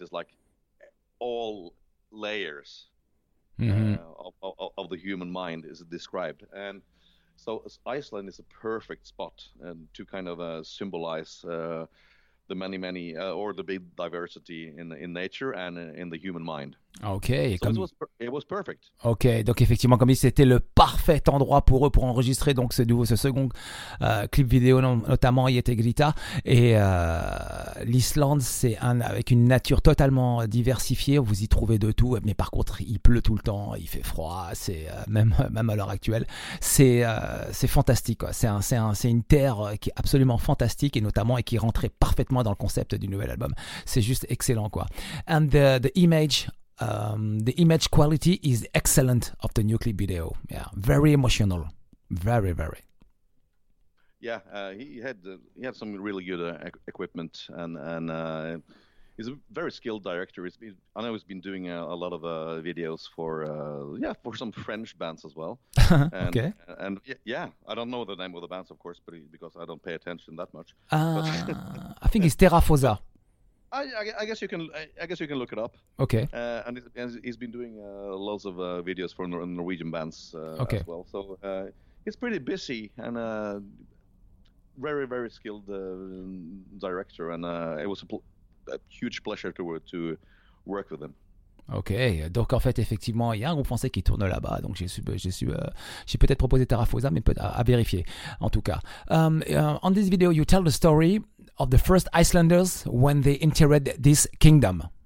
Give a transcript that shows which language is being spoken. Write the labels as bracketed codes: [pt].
[en] It's like all layers of the human mind is described. And so Iceland is a perfect spot and to kind of symbolize the many or the big diversity in nature and in the human mind. Ok, it was perfect. [fr] Ok, donc effectivement, comme dit, c'était le parfait endroit pour eux pour enregistrer donc ce second clip vidéo, notamment Yeti Grita. Et l'Islande, c'est avec une nature totalement diversifiée. Vous y trouvez de tout, mais par contre, il pleut tout le temps, il fait froid. C'est même à l'heure actuelle, c'est fantastique. Quoi. C'est une terre qui est absolument fantastique et notamment et qui rentrait parfaitement dans le concept du nouvel album. C'est juste excellent, quoi. [en] And the image. The image quality is excellent of the new clip video. Yeah, very emotional, very very. Yeah, he had some really good equipment and he's a very skilled director. He's been doing a lot of videos for some French bands as well. And, okay. And yeah, I don't know the name of the bands, of course, but because I don't pay attention that much. I think it's Terra Fosa. I guess you can look it up. Okay. And he's been doing lots of videos for Norwegian bands okay. as well. So he's pretty busy and a very very skilled director. And it was a huge pleasure to work with him. [fr] Ok, donc en fait effectivement il y a un groupe français qui tourne là-bas, donc j'ai peut-être proposé Terra Fosa, mais à vérifier en tout cas. [en] On this video you tell the story of the first Icelanders when they entered this kingdom.